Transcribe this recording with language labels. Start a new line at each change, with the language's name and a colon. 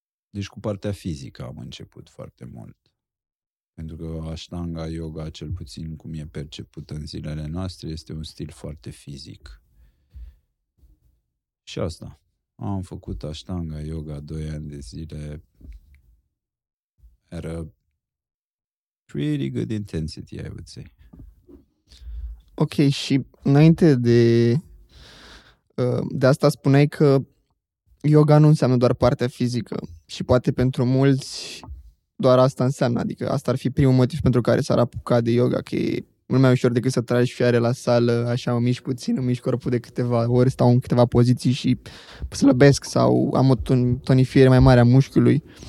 Romanian: Deci cu partea fizică am început foarte mult. Pentru că Ashtanga yoga, cel puțin cum e percepută în zilele noastre, este un stil foarte fizic. Și asta. Am făcut Ashtanga yoga 2 ani de zile. Era
English: pretty good intensity, I would say.
Romanian: Ok, și înainte de asta spuneai că yoga nu înseamnă doar partea fizică și poate pentru mulți doar asta înseamnă, adică asta ar fi primul motiv pentru care s-ar apuca de yoga, că e mult mai ușor decât să tragi fiare la sală, așa o mișc puțin, o mișc corpul de câteva ori, stau în câteva poziții și slăbesc sau am o tonifiere mai mare a mușchiului.